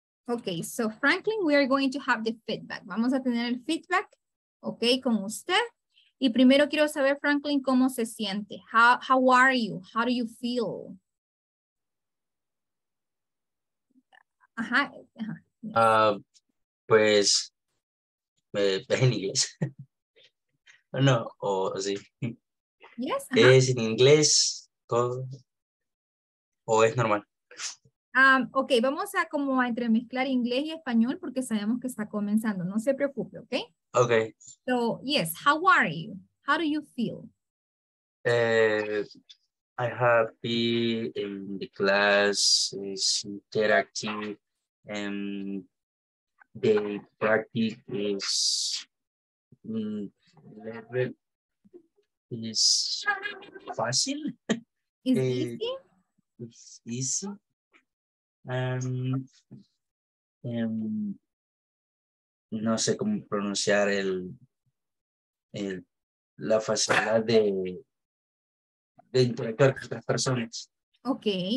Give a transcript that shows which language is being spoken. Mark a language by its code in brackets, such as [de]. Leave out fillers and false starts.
[en] Okay, so Franklin, we are going to have the feedback. [es] Vamos a tener el feedback, okay, con usted. Y primero quiero saber, Franklin, ¿cómo se siente? [en] How are you? How do you feel? Ajá. Ajá. [es] Pues, en inglés. No, o sí. [en] Yes, [es] ¿es en inglés todo? ¿O es normal? Ok, vamos a como a entremezclar inglés y español porque sabemos que está comenzando. No se preocupe, ¿ok? [en] Ok. So, yes, how are you? How do you feel? I happy in the class is interactive and the practice is level is fácil. Is easy? It's easy. [es] No sé cómo pronunciar el la facilidad de interactuar con otras personas. [en] Ok.